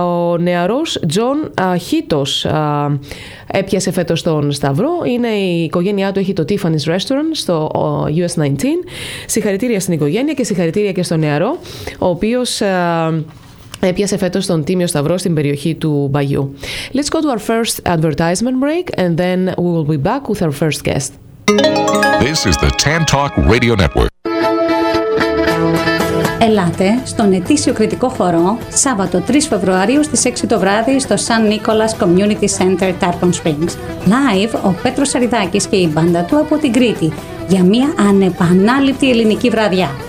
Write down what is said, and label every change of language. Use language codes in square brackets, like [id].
[el] Ο νεαρός Τζον Χίτος έπιασε φέτος τον Σταυρό. Είναι η οικογένειά του, έχει το Tiffany's Restaurant στο US 19. Συγχαρητήρια στην οικογένεια και συγχαρητήρια και στον νεαρό, ο οποίος έπιασε φέτος τον Τίμιο Σταυρό στην περιοχή του Μπαγιού. [en] Let's go to our first advertisement break and then we will be back with our first guest. This is the TAN Talk Radio Network. [el] Ελάτε στον ετήσιο κριτικό χορό Σάββατο 3 Φεβρουαρίου στις 6 το βράδυ στο San Nicolas Community Center Tarpon Springs. Live ο Πέτρος Σαριδάκης και η μπάντα του από την Κρήτη για μια ανεπανάληπτη ελληνική βραδιά.